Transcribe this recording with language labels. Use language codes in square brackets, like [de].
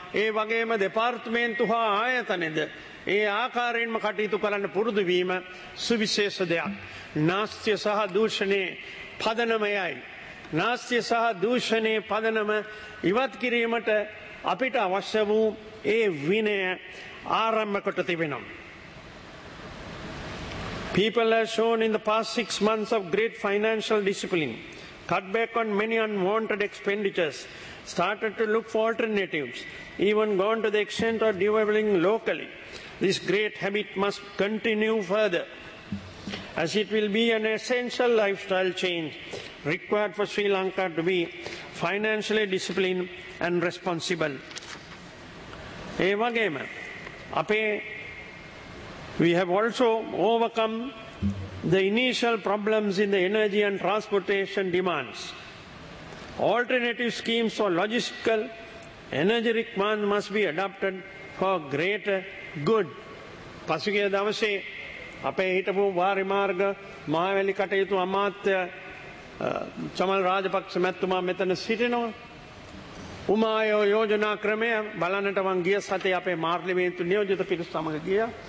[si] ඒ වගේම දෙපාර්තමේන්තු හා ආයතනද ඒ ආකාරයෙන්ම කටයුතු කරන්න පුරුදු වීම සුවිශේෂ දෙයක්. නාස්ති්‍ය සහ දූෂණයේ පදනමයයි. නාස්ති්‍ය සහ දූෂණයේ පදනම ඉවත් කිරීමට අපිට අවශ්‍ය වූ ඒ විනය ආරම්භ කොට තිබෙනවා. [en] People have shown in the past 6 months of great financial discipline, cut back on many unwanted expenditures, started to look for alternatives, even gone to the extent of devaluing locally. This great habit must continue further, as it will be an essential lifestyle change required for Sri Lanka to be financially disciplined and responsible. [si] Eva Gema, Ape. [en] We have also overcome the initial problems in the energy and transportation demands. Alternative schemes for logistical energy requirements must be adopted for greater good. [si] පසුගිය දවසේ අපේ හිටපු වාරි මාර්ග මහවැලි කටයුතු අමාත්‍ය චමල් රාජපක්ෂ මැතිතුමා මෙතන සිටිනවා. උමාය යෝජනා ක්‍රමය බලන්නට මම ගිය සතියේ අපේ මාර්ලිමේන්තු නියෝජිත පිරිස සමග ගියා.